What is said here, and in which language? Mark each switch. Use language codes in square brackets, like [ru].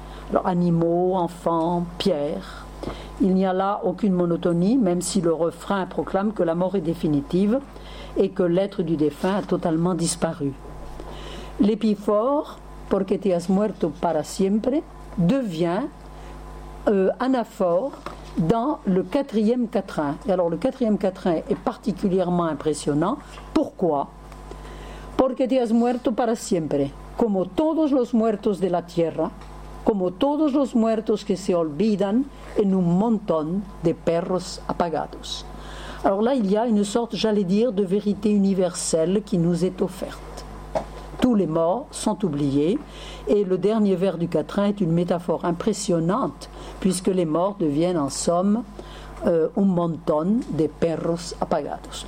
[fr] Alors, animaux, enfants, pierres, il n'y a là aucune monotonie, même si le refrain proclame que la mort est définitive et que l'être du défunt a totalement disparu. L'épiphore, [es] porque te has muerto para siempre, [fr] devient anaphore dans le quatrième quatrain. Et alors le quatrième quatrain est particulièrement impressionnant. Pourquoi? [es] Porque te has muerto para siempre, como todos los muertos de la tierra, como todos los muertos que se olvidan en un montón de perros apagados. [fr] Alors là, il y a une sorte, j'allais dire, de vérité universelle qui nous est offerte. Tous les morts sont oubliés et le dernier vers du quatrain est une métaphore impressionnante puisque les morts deviennent en somme [es] un montón de perros apagados.